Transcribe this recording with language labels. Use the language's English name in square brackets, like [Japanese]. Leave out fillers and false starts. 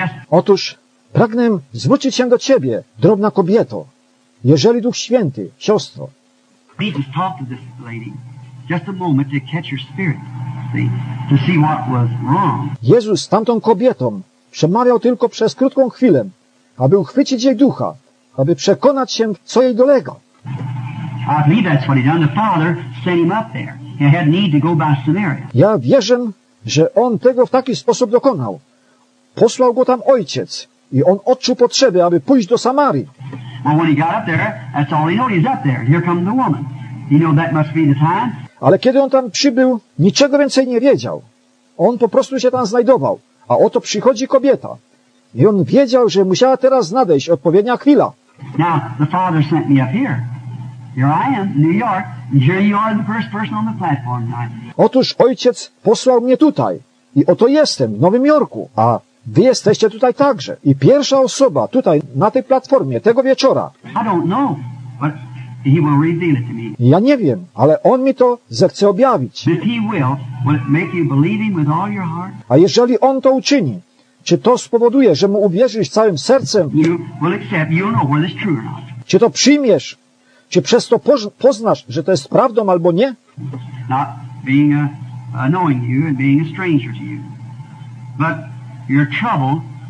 [Polish] Otóż pragnę zwrócić się do ciebie, drobna kobieto, jeżeli Duch Święty, siostro. [English] Jesus talked to this lady. Just a moment to catch your spirit, see, to see what was wrong. [Polish] Jezus z tamtą kobietą przemawiał tylko przez krótką chwilę, aby uchwycić jej ducha, aby przekonać się, co jej dolega. [English] I believe that's what he done. The Father sent him up there. He had need to go by Samaria. [Polish] Ja wierzę, że on tego w taki sposób dokonał. Posłał go tam ojciec i on odczuł potrzeby, aby pójść do Samarii. [English] Well, when he got up there, that's all he knows. He's up there. Here comes the woman. You know, that must be the time. [Polish] Ale kiedy on tam przybył, niczego więcej nie wiedział. On po prostu się tam znajdował. A oto przychodzi kobieta. I on wiedział, że musiała teraz nadejść odpowiednia chwila. [English] Now, the Father sent me up here. Here I am, New York. And here you are, the first person on the platform. [Polish] Otóż ojciec posłał mnie tutaj. I oto jestem w Nowym Jorku. A wy jesteście tutaj także. I pierwsza osoba tutaj na tej platformie tego wieczora. [English] I don't know, but... He will reveal it to me. [Polish] Ja nie wiem, ale on mi to zechce objawić. [English] If he will it make you believe him with all your heart? [Polish] A jeżeli on to uczyni, czy to spowoduje, że mu uwierzysz całym sercem? [English] You will accept, you'll know whether it's true or not. [Polish] Czy to przyjmiesz? Czy przez to poznasz, że to jest prawdą albo nie? [English] Not being a knowing you and being a stranger to you. But your trouble,